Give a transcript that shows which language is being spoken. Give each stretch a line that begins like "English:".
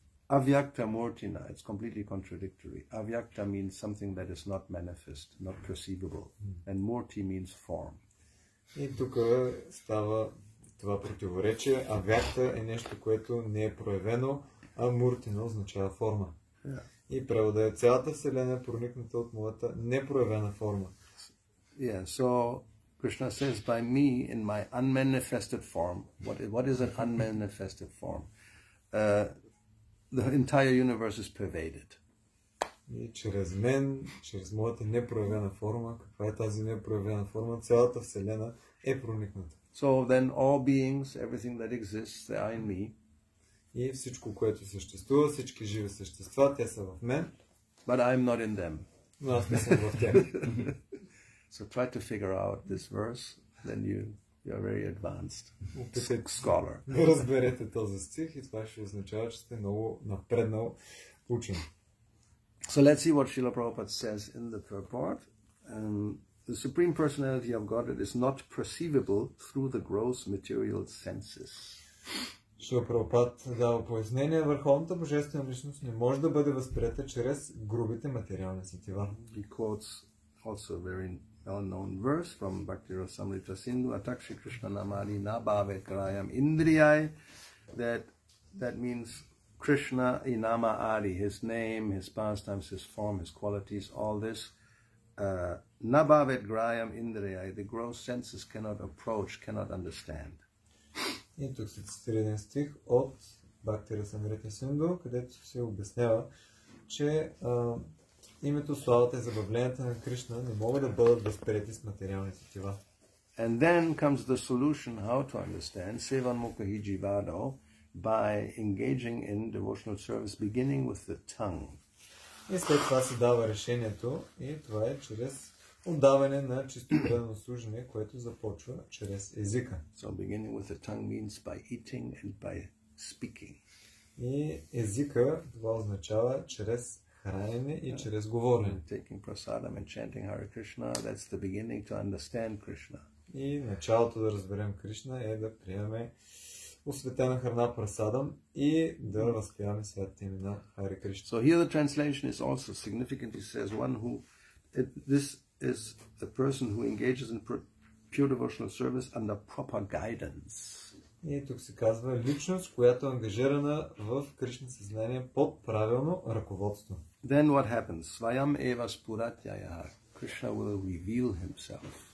English: Avyakta murtina, it's completely contradictory. Avyakta means something that is not manifest, not perceivable. And murti means form.
Bulgarian: И тук става това противоречие. Авякта е нещо, което не е проявено, а муртина означава форма. И превода е цялата вселена проникната от моята непроявена форма.
English: Yeah, so Krishna says by me in my unmanifested form. What is an unmanifested form? The entire universe is pervaded.
Bulgarian: И чрез мен, чрез моята непроявена форма, каква е тази непроявена форма, цялата вселена е проникната.
English: So then all beings, everything that exists, they are in me.
Bulgarian: И всичко, което съществува, всички живи същества, те са в мен.
English: But I'm not in them.
Bulgarian: Но аз не съм в тях.
English: So try to figure out this verse, then you are very advanced scholar.
Bulgarian: Разберете този стих и това ще означава, че сте много напреднал учен.
English: So let's see what Srila Prabhupada says in the purport. The Supreme Personality of Godhead is not perceivable through the gross material senses.
Bulgarian: Шрила Прабхупада дава пояснение, върховната божествена личност не може да бъде възприета чрез грубите материални сетива.
English: He quotes also a very well-known verse from Bhakti-rasamrita Sindhu,
Sanskrit: Atakshi Krishna Namani Nabhave Krayam Indriyai,
English: that means Krishna Inama Adi, his name, his pastimes, his form, his qualities, all this.
Sanskrit: Nabhavet Grayam Indriyai,
English: the gross senses cannot approach, cannot understand.
Bulgarian: И тук се цитира един стих от Бхактирасамрита Синду, където се обяснява, че името, славата и забавленията на Кришна не могат да бъдат възприети с материалните тела.
English: And then comes the solution how to understand
Sanskrit: Sevan Mukha Hijivado
English: by engaging in devotional service beginning with the tongue.
Bulgarian: И след това се дава решението и това е чрез отдаване на чисто предано служение, което започва чрез езика.
English: So beginning with the tongue means by eating and by speaking.
Bulgarian: И езика, това означава чрез хранене и чрез говорене.
English: Taking prasadam and chanting Hare Krishna, that's the beginning to understand Krishna.
Bulgarian: И началото да разберем Кришна е да приемаме осветена храна прасадам и да възпяваме святите имена Хари Кришна.
English: So here the translation is also significant. It says one who this is the person who engages in pure devotional service under proper guidance.
Bulgarian: И тук се казва личност, която е ангажирана в Кришна съзнание под правилно ръководство.
English: Then what happens?
Sanskrit: Svayam eva spuratyaya.
English: Krishna will reveal himself.